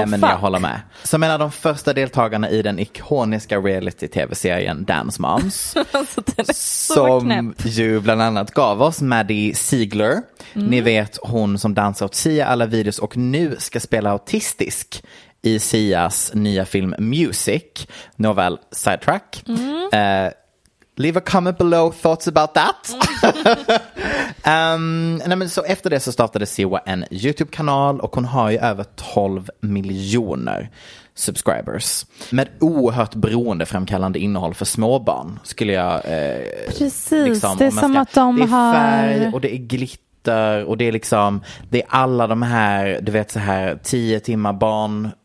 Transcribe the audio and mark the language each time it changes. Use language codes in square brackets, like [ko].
[sv] fuck. Nej men jag håller med. Som en av de första deltagarna i den ikoniska reality-tv-serien Dance Moms. Som ju bland annat gav oss Maddie Ziegler. Mm. Ni vet, hon som dansar åt Sia alla videos och nu ska spela autistisk i Sias nya film Music. [en] Novel sidetrack. Mm. Leave a comment below thoughts about that. [sv] nej, men så efter det så startade Siwa en YouTube-kanal och hon har ju över 12 miljoner subscribers. Med oerhört beroendeframkallande innehåll för småbarn skulle jag... precis, liksom, det är som att de har... Det är färg och det är glitter och det är liksom... Det är alla de här, du vet så här, 10 timmar barn...